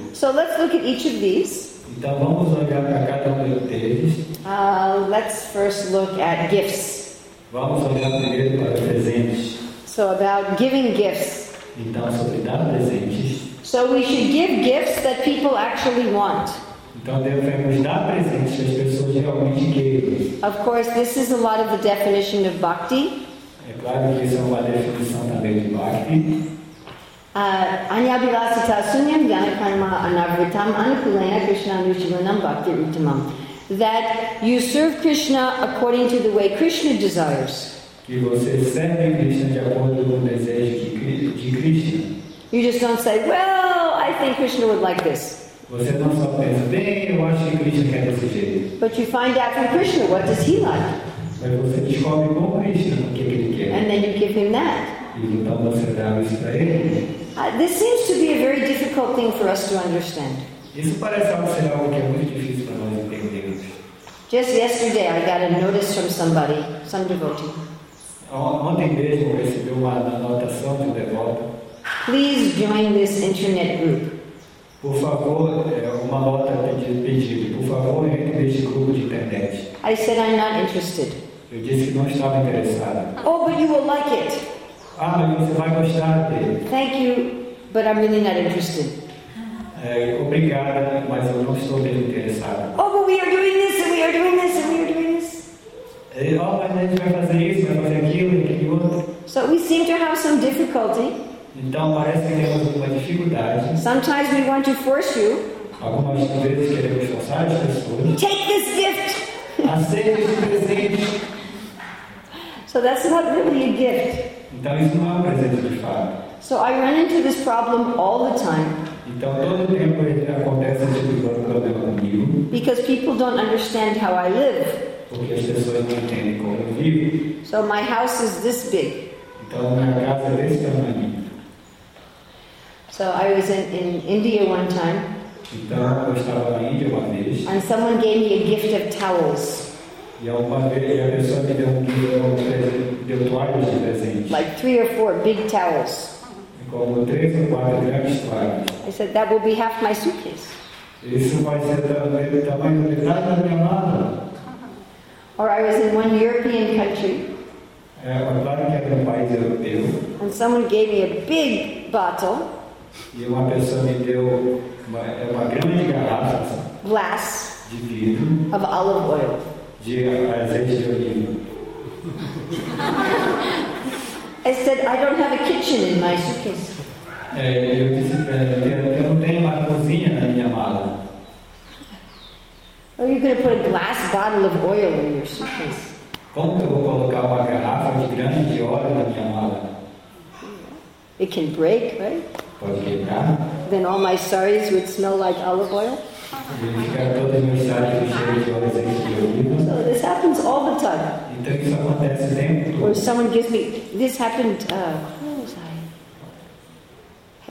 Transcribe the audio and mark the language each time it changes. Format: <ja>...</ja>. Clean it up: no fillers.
<en>So let's look at each of these.</en> <pt>Então vamos olhar para cada um deles.</pt> <en>Let's first look at gifts.</en> <pt>Vamos olhar primeiro para presentes.</pt> <en>So about giving gifts.</en> <pt>Então sobre dar presentes.</pt> <en>So we should give gifts that people actually want.</en> <pt>Então devemos dar presentes às pessoas que realmente querem.</pt> <en>Of course, this is a lot of the definition of bhakti.</en> <pt>É claro que isso é uma definição também de bhakti.</pt> <sa>Anya bilasita sunyam jnana karma anavritam anukulena krishna anushilanam bhakti uttamam.</sa> <en>That you serve Krishna according to the way Krishna desires.</en> <pt>Que você serve Krishna de acordo com o desejo de Krishna.</pt> <en>You just don't say, "Well, I think Krishna would like this."</en> <pt>Você não só pensa, bem, eu acho que Krishna quer desse jeito.</pt> <en>But you find out from Krishna, what does he like?</en> <pt>Mas você descobre com Krishna o que ele quer.</pt> <en>And then you give him that.</en> <pt>E então você dá isso para ele.</pt> <en>This seems to be a very difficult thing for us to understand.</en> <pt>Isso parece ser algo que é muito difícil para nós entendermos.</pt> <en>Just yesterday I got a notice from somebody, some devotee.</en> <pt>Ontem mesmo recebi uma anotação de um devoto.</pt> <en>Please join this internet group.</en> <pt>Por favor, uma nota de pedido. Por favor, entre neste grupo de internet.</pt> <en>I said I'm not interested.</en> <pt>Eu disse que não estava interessada.</pt> <en>Oh, but you will like it.</en> <pt>Ah, mas você vai gostar dele.</pt> <en>Thank you, but I'm really not interested.</en> <pt>Obrigada, mas eu não estou bem interessada.</pt> <en>Oh, but we are doing this and we are doing this and we are doing this.</en> <pt>Oh, mas a gente vai fazer isso, vai fazer aquilo e aquilo outro.</pt> <en>So we seem to have some difficulty.</en> <pt>Então parece que temos uma dificuldade.</pt> <en>Sometimes we want to force you.</en> <pt>Algumas vezes queremos forçar as pessoas.</pt> <en>Take this gift.</en> <pt>Aceite esse presente.</pt> <en>So that's not really a gift.</en> <pt>Então isso não é um presente de fato.</pt> <en>So I run into this problem all the time.</en> <pt>Então todo tempo acontece esse tipo de problema comigo.</pt> <en>Because people don't understand how I live.</en> <pt>Porque as pessoas não entendem como eu vivo.</pt> <en>So my house is this big.</en> <pt>Então minha casa é desse tamanho.</pt> <en>So I was in India one time.</en> <pt>Então eu estava na Índia uma vez.</pt> <en>And someone gave me a gift of towels.</en> <pt>E uma vez a pessoa me deu deu toalhas de presente.</pt> <en>Like 3 or 4 big towels.</en> <pt>Como 3 ou 4 grandes toalhas.</pt> <en>I said that will be half my suitcase.</en> <pt>Isso vai ser do tamanho de metade da minha mala.</pt> <en>Or I was in one European country.</en> <pt>Claro que era um país europeu.</pt> <en>And someone gave me a big bottle.</en> <pt>E uma pessoa me deu uma grande garrafa.</pt> <en>Glass.</en> <pt>De vidro.</pt> <en>Of olive oil.</en> <pt>De azeite de oliva.</pt> <en>I said I don't have a kitchen in my suitcase.</en> <pt>Eu disse para ela, eu não tenho uma cozinha na minha mala.</pt> <en>Are you going to put a glass bottle of oil in your suitcase?</en> <pt>Como que eu vou colocar uma garrafa de grande de óleo na minha mala?</pt> <en>It can break, right?</en> <pt>Pode quebrar.</pt> <en>Then all my saris would smell like olive oil. So this happens all the time. Or someone gives me, this happened, where was I?</en>